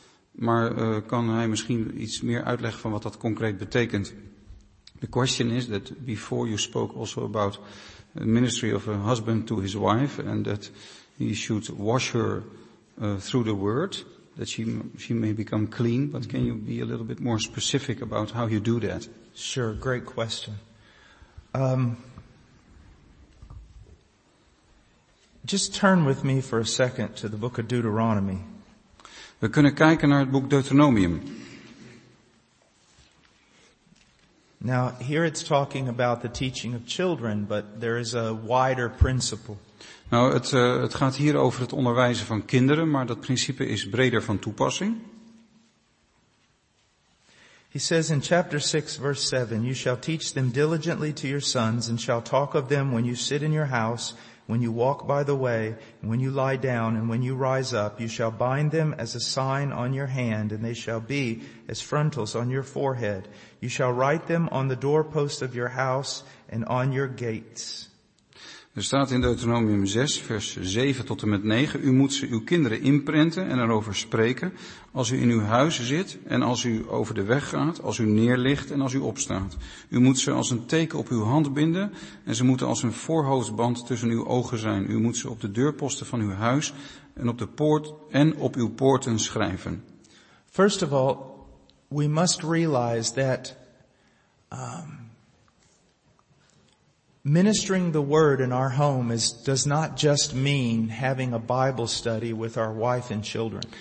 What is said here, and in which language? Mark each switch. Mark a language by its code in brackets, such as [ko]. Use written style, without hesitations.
[nl] Maar kan hij misschien iets meer uitleggen van wat dat concreet betekent? [en] The question is that before you spoke also about the ministry of a husband to his wife and that he should wash her through the word, that she may become clean, but can you be a little bit more specific about how you do that? Sure, great question. Just turn with me for a second to the book of Deuteronomy. [nl] We kunnen kijken naar het boek Deuteronomium. [en] Now, here it's talking about the teaching of children, but there is a wider principle. [nl] Nou, het gaat hier over het onderwijzen van kinderen, maar dat principe is breder van toepassing. [en] He says in chapter 6, verse 7, you shall teach them diligently to your sons and shall talk of them when you sit in your house, when you walk by the way, and when you lie down and when you rise up. You shall bind them as a sign on your hand, and they shall be as frontals on your forehead. You shall write them on the doorpost of your house and on your gates. [nl] Er staat in Deuteronomium 6, vers 7 tot en met 9, u moet ze uw kinderen inprenten en erover spreken als u in uw huis zit en als u over de weg gaat, als u neerligt en als u opstaat. U moet ze als een teken op uw hand binden en ze moeten als een voorhoofdband tussen uw ogen zijn. U moet ze op de deurposten van uw huis en op de poort en op uw poorten schrijven. [en] First of all, we must realize that ministering the word in our home does not just mean having a Bible study with our wife and children.